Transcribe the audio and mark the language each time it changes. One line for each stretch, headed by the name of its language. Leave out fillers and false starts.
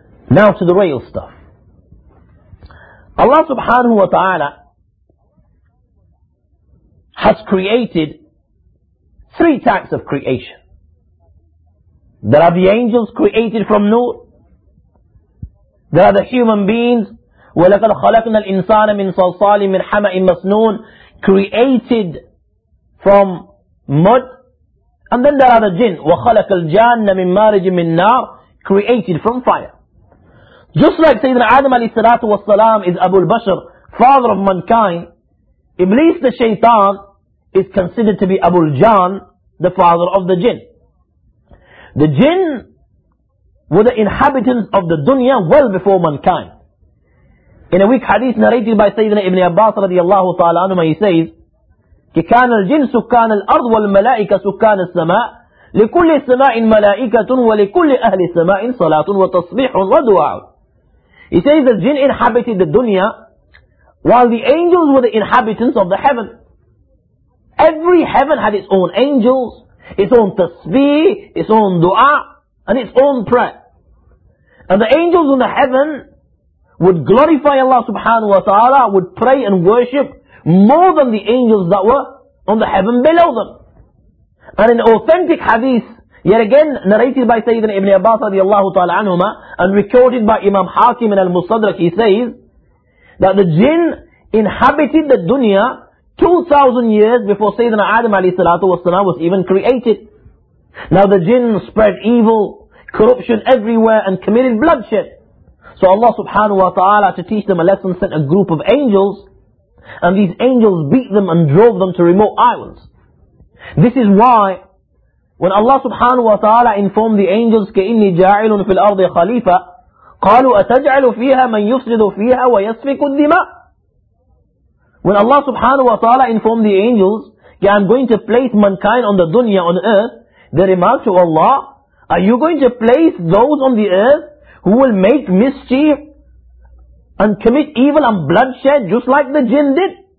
English: Now to the real stuff. Allah subhanahu wa ta'ala has created three types of creation. There are the angels created from nur. There are the human beings.
Arabic: وَلَقَدْ خَلَقْنَا الْإِنسَانَ مِنْ صَلْصَالٍ مِنْ حَمَئٍ مَسْنُونَ,
English: created from mud. And then there are the jinn.
Arabic: وَخَلَقَ الْجَانَّ مِنْ مَارِجٍ مِنْ نَارٍ,
English: created from fire. Just like Sayyidina Adam alayhi salatu wasalam is Abu al-Bashr, father of mankind, Iblis the shaitan is considered to be Abu al-Jan, the father of the jinn. The jinn were the inhabitants of the dunya well before mankind. In a weak hadith narrated by Sayyidina Ibn Abbas radiallahu ta'ala anhu, he says,
Arabic: كَكَانَ الْجِنُّ سُكَّانَ الْأَرْضِ وَالْمَلَائِكَ سُكَّانَ السَّمَاءِ لِكُلِّ سَمَاءٍ مَلَائِكَةٌ وَلِكُلِّ أَهْلِ السَّمَاءٍ صَلَاةٌ وَتَصْبِيحٌ وَدُعَاءٌ.
English: He says the jinn inhabited the dunya while the angels were the inhabitants of the heaven. Every heaven had its own angels, its own tasbih, its own dua, and its own prayer. And the angels in the heaven would glorify Allah subhanahu wa ta'ala, would pray and worship more than the angels that were on the heaven below them. And in authentic hadith, yet again narrated by Sayyidina Ibn Abbas radiallahu ta'ala anhuma, and recorded by Imam Hakim in Al-Mustadrak, he says that the jinn inhabited the dunya 2,000 years before Sayyidina Adam alayhi salatu wasalam was even created. Now the jinn spread evil, corruption everywhere, and committed bloodshed. So Allah subhanahu wa ta'ala, to teach them a lesson, sent a group of angels, and these angels beat them and drove them to remote islands. This is why, when Allah subhanahu wa ta'ala informed the angels,
Arabic: كَإِنِّي جَاعِلٌ فِي الْأَرْضِ خَلِيفَةٌ قَالُوا أَتَجْعَلُ فِيهَا مَنْ يُفْسِدُ فِيهَا وَيَسْفِكُ الدِّمَاءِ.
English: When Allah subhanahu wa ta'ala informed the angels, yeah, I'm going to place mankind on the dunya, on earth, they remarked to Allah, are you going to place those on the earth who will make mischief and commit evil and bloodshed just like the jinn did?